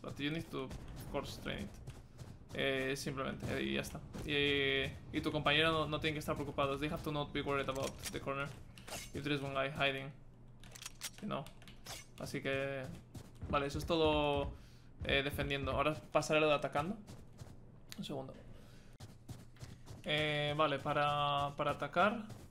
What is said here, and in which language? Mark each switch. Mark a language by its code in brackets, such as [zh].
[en] But you need to, of course, train it. [es] Simplemente, y ya está. Y tu compañero no tiene que estar preocupado. [en] They have to not be worried about the corner. If there is one guy hiding, you know. [es] Así que, vale, eso es todo defendiendo. Ahora pasaré lo de atacando. Un segundo. Vale, para atacar.